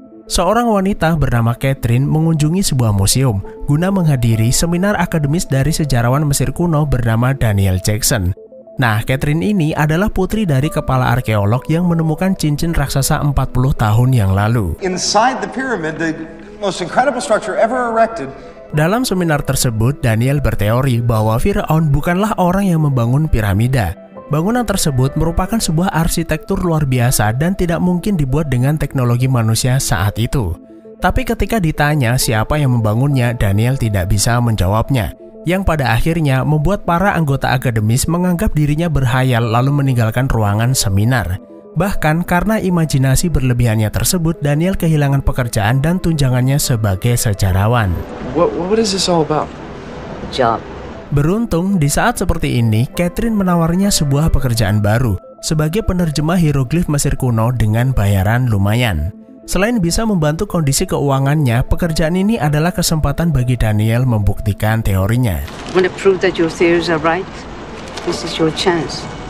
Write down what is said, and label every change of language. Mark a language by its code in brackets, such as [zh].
[id] Seorang wanita bernama Catherine mengunjungi sebuah museum guna menghadiri seminar akademis dari sejarawan Mesir kuno bernama Daniel Jackson. Nah, Catherine ini adalah putri dari kepala arkeolog yang menemukan cincin raksasa 40 tahun yang lalu. [en] Inside the pyramid, the most incredible structure ever erected. [id] Dalam seminar tersebut, Daniel berteori bahwa Fir'aun bukanlah orang yang membangun piramida. Bangunan tersebut merupakan sebuah arsitektur luar biasa dan tidak mungkin dibuat dengan teknologi manusia saat itu. Tapi ketika ditanya siapa yang membangunnya, Daniel tidak bisa menjawabnya. Yang pada akhirnya membuat para anggota akademis menganggap dirinya berhayal lalu meninggalkan ruangan seminar. Bahkan karena imajinasi berlebihannya tersebut, Daniel kehilangan pekerjaan dan tunjangannya sebagai sejarawan. [en] What is this all about? Job. [id] Beruntung, di saat seperti ini, Catherine menawarnya sebuah pekerjaan baru sebagai penerjemah hieroglif Mesir kuno dengan bayaran lumayan. Selain bisa membantu kondisi keuangannya, pekerjaan ini adalah kesempatan bagi Daniel membuktikan teorinya. [en] When it proves that your theories are right, this is your chance.